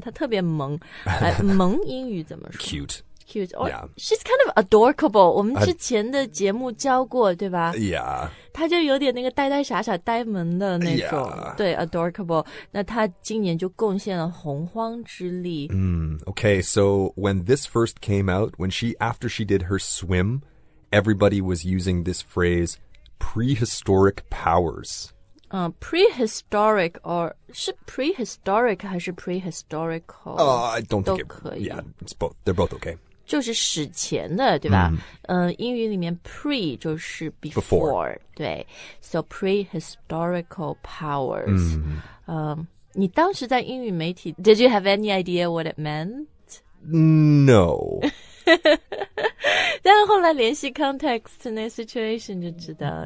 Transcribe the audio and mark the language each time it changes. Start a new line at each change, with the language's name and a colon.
Chinese: 她特别萌。萌英语怎么说？
English: Cute. Cute. Yeah. She's kind of adorable.
Chinese: 我们之前的节目教过，对吧？
English: Yeah.
Chinese: 她就有点那个呆呆傻傻呆萌的那种。
English: Yeah. 对 ,adorable.
Chinese: 那她今年就贡献了洪荒之力。
English: Okay, so when this first came out, after she did her swim, everybody was using this phrase, prehistoric powers. Prehistoric or 是 prehistoric 还是 prehistorical? I don't think it,
Chinese: 都可以。
English: Yeah, it's both. They're both okay.
Chinese: 就是史前的对吧、英语里面 pre 就是
English: before 对 so prehistorical powers、
Chinese: 你当时在英语媒体
English: did you have any idea what it meant? No
Chinese: 但后来联系 context 那 situation 就知道了